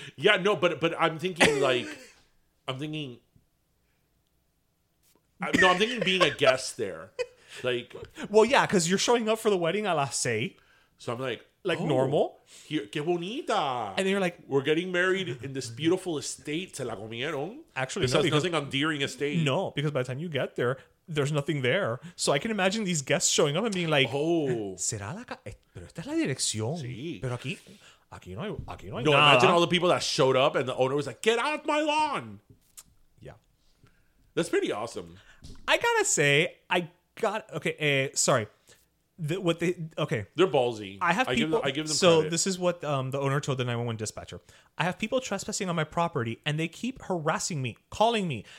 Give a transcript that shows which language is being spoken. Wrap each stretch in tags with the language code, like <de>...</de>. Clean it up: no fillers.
<en>Yeah, no, but I'm thinking like, I'm thinking being a guest there. Like, well, yeah, because you're showing up for the wedding a la say. So I'm like, Normal. Here,</en> <es>qué bonita.</es> <en>And then you're like, we're getting married in this beautiful estate.</en> <es>Se la comieron.</es> <en>Actually, there's nothing on Deering Estate. No, because by the time you get there, there's nothing there. So I can imagine these guests showing up and being like,</en> <es>¿Será la pero esta es la dirección? Sí. Pero aquí no hay no, nada.</es> <en>No, imagine all the people that showed up and the owner was like, get out of my lawn. Yeah. That's pretty awesome. I gotta say, okay, sorry. They're ballsy. I give them credit. So this is what the owner told the 911 dispatcher. I have people trespassing on my property and they keep harassing me, calling me.</en>